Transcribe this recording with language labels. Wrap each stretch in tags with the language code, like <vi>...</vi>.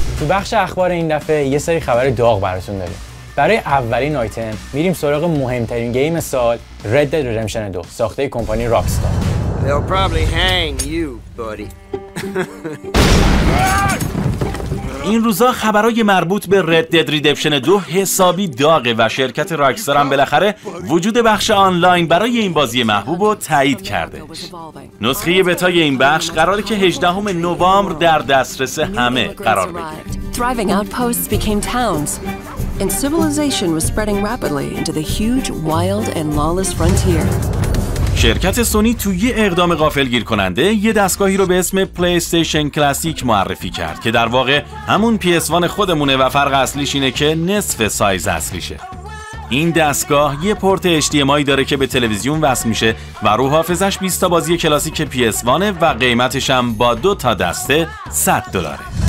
<fa>بخش اخبار این دفعه یه سری خبر داغ براتون داریم. برای اولین آیتم میریم سراغ مهمترین گیم سال، Red Dead Redemption 2 ساخته کمپانی راکستار.</fa> <en>They'll probably hang you, buddy.</en> <fa>این روزا خبرای مربوط به Red Dead Redemption 2 حسابی داغه و شرکت راکستار هم بالاخره وجود بخش آنلاین برای این بازی محبوب رو تایید کرده. نسخه بتای این بخش قراره که 18 نوامبر در دسترس همه قرار بگیره.</fa> <en>Thriving outposts became towns and civilization was spreading rapidly into the huge wild and lawless frontier.</en> <fa>شرکت سونی تو یه اقدام غافلگیر کننده یه دستگاهی رو به اسم پلی استیشن کلاسیک معرفی کرد که در واقع همون PS1 خودمونه و فرق اصلیش اینه که نصف سایز اصلیشه. این دستگاه یه پورت HDMI داره که به تلویزیون وصل میشه و رو حافظش 20 تا بازی کلاسیک PS1 و قیمتش هم با 2 تا دسته 100 دلاره.</fa>